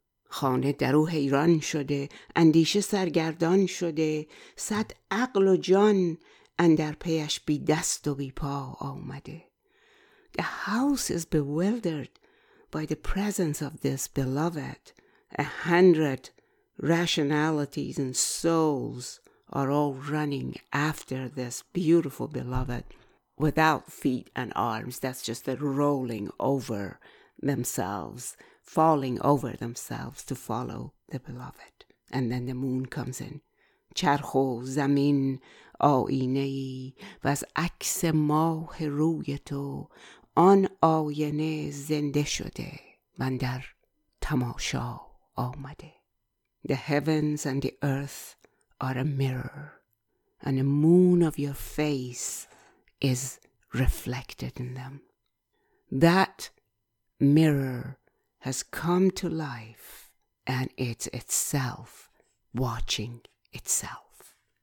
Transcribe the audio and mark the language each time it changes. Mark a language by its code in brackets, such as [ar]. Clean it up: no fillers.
[fa] خانه در او حیران شده، اندیشه سرگردان شده، صد عقل و جان اندر پیش بی دست و بی پا آمده. [en] The house is bewildered by the presence of this beloved. 100 rationalities and souls are all running after this beautiful beloved without feet and arms. That's just the rolling over themselves, falling over themselves to follow the beloved. And then the moon comes in. [fa] چرخو زمین آینه ای و از عکس ماه روی تو آن آینه زنده شده من در تماشا آمده. [en] The heavens and the earth are a mirror, and the moon of your face is reflected in them. That mirror has come to life, and it's itself watching itself.